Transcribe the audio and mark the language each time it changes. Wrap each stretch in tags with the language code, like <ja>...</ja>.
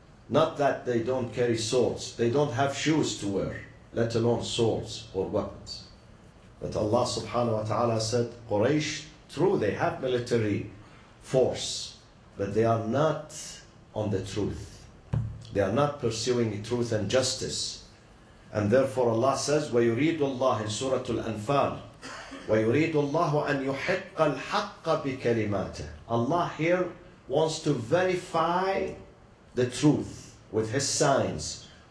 <en>Not that they don't carry swords. They don't have shoes to wear, let alone swords or weapons. But Allah subhanahu wa ta'ala said, Quraysh, true, they have military force, but they are not on the truth. They are not pursuing truth and justice. And therefore Allah says,</en> <ar>وَيُرِيدُ اللَّهِ</ar> <en>in Surah Al-Anfal,</en> <ar>وَيُرِيدُ اللَّهُ أَنْ يُحِقَّ الْحَقَّ بِكَلِمَاتِهِ.</ar> <en>Allah here wants to verify the truth with his signs.</en>